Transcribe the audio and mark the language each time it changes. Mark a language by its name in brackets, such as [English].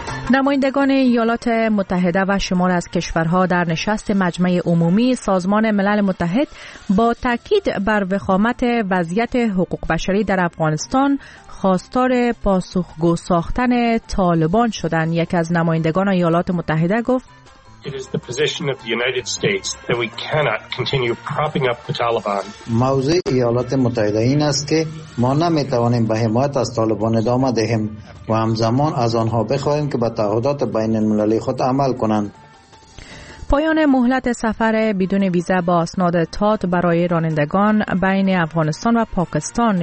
[Persian] نمایندگان ایالات متحده و شمار از کشورها در نشست مجمع عمومی سازمان ملل متحد با تاکید بر وخامت وضعیت حقوق بشری در افغانستان خواستار پاسخگو ساختن طالبان شدند. یکی از نمایندگان ایالات متحده گفت [English] It is the position of the United States that we cannot continue propping up the Taliban. [Persian] موضع ایالات متحده این است که ما نمیتوانیم به حمایت از طالبان ادامه دهیم و همزمان از آنها بخواهیم که به تعهدات بین المللی خود عمل کنند. پایان مهلت سفر بدون ویزه با اسناد تات برای رانندگان بین افغانستان و پاکستان.